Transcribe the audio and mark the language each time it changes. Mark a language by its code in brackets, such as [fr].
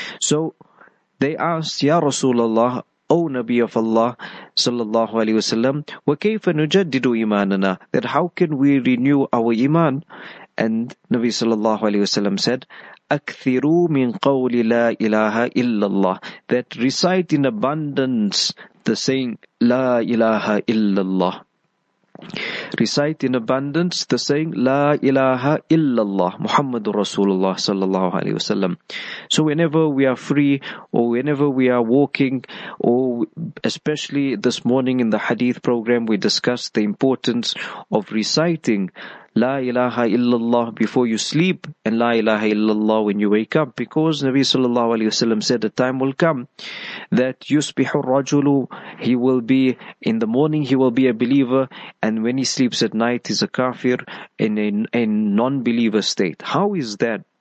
[en] So they asked, Ya Rasulullah, O Nabi of Allah sallallahu alayhi wasallam, [ar] وَكَيْفَ نُجَدِّدُ إِمَانَنَا, [en] that how can we renew our iman? And Nabi sallallahu alayhi wasallam said, [ar] أكثروا من قول لا إله إلا الله, [en] that recite in abundance the saying [ar] لا إله إلا الله. [en] Recite in abundance the saying [ar] لا إله إلا الله محمد رسول الله صلى الله عليه وسلم. [en] So whenever we are free, or whenever we are walking, or especially this morning in the hadith program, we discussed the importance of reciting La ilaha illallah before you sleep, and La ilaha illallah when you wake up, because Nabi sallallahu alayhi wa sallam said, a time will come that yusbihu rajulu, he will be, in the morning he will be a believer, and when he sleeps at night he's a kafir, in a non-believer state. How is that?